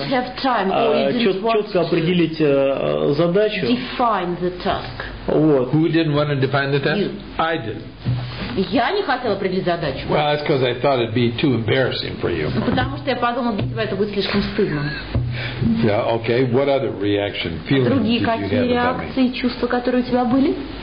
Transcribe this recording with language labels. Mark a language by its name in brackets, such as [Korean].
[Russian] четко определить задачу. [English] Define the task. [Russian] Вот. [English] Who didn't want to define the task? You. I did. [Russian] Я не хотел определить задачу. [English] Well, that's because I thought it'd be too embarrassing for you. [Russian] Потому что я подумал, для тебя это будет слишком стыдно. [English] Yeah, okay. What other reaction, feelings? [Russian] Другие какие реакции, чувства, которые у тебя были?